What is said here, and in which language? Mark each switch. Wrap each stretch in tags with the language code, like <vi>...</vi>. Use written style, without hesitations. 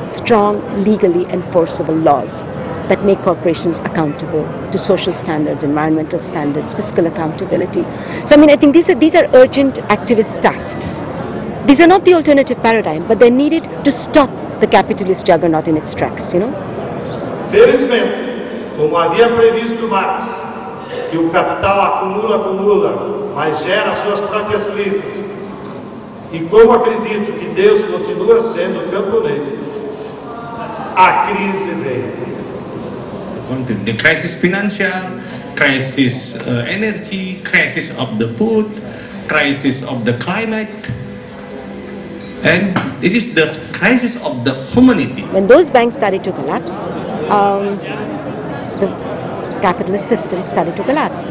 <en>Strong, legally enforceable laws that make corporations accountable to social standards, environmental standards, fiscal accountability. So, I mean, I think these are urgent activist tasks. These are not the alternative paradigm, but they're needed to stop the capitalist juggernaut in its tracks, you know?</en> <pt>Felizmente, como havia previsto Marx, que o capital acumula, mas gera suas próprias crises, e como acredito que Deus continua sendo camponês, a crise veio.</pt> <en>The crisis financial, crisis energy, crisis of the food, crisis of the climate, and this is the crisis of the humanity. When those banks started to collapse, the capitalist system started to collapse.</en>